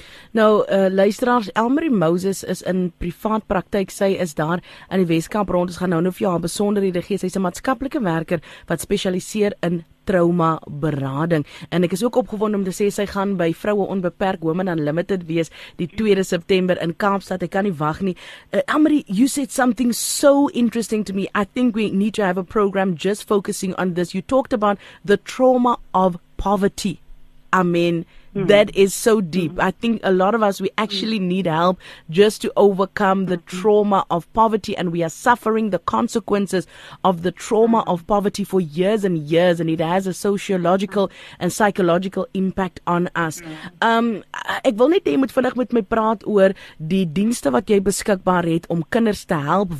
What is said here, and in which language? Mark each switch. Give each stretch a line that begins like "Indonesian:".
Afrikaans: Nou, luisteraars, Elmarie Moses is in privaat praktyk, sy is daar in die Weskaap rond, ons gaan nou vir jou haar besonderhede gee, sy is 'n maatskaplike werker wat spesialiseer in trauma berading, en ek is ook opgewonde om te sê, sy gaan by Vroue Onbeperk Women Unlimited wees, die 2 September in Kaapstad, ek kan nie wag nie.
English: Elmarie, you said something so interesting to me, I think we need to have a program just focusing on this. You talked about the trauma of poverty. I mean, that is so deep. I think a lot of us, we actually need help just to overcome the trauma of poverty, and we are suffering the consequences of the trauma of poverty for years and years, and it has a sociological and psychological impact on us.
Afrikaans: Ek wil net hê moet vinnig met my praat oor die dienste wat jy beskikbaar het om kinders te help.